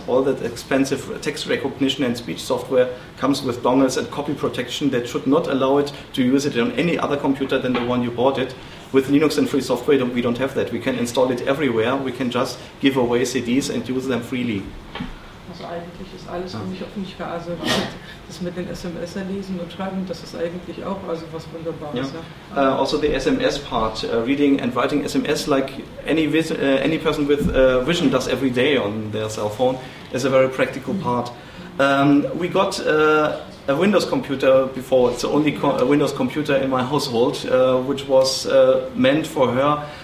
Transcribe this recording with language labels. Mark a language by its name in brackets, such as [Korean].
[English] All that expensive text recognition and speech software comes with dongles and copy protection that should not allow it to use it on any other computer than the one you bought it. With Linux and free software, we don't have that. We can install it everywhere. We can just give away CDs and use them freely. [German] Also eigentlich ist alles für mich offen. Also das mit den SMS erlesen und schreiben, das ist eigentlich auch also was Wunderbares. Yeah. Ja. [English] Also the SMS part, reading and writing SMS like any person with vision does every day on their cell phone, is a very practical part. We got a Windows computer before. It's the only a Windows computer in my household, which was meant for her.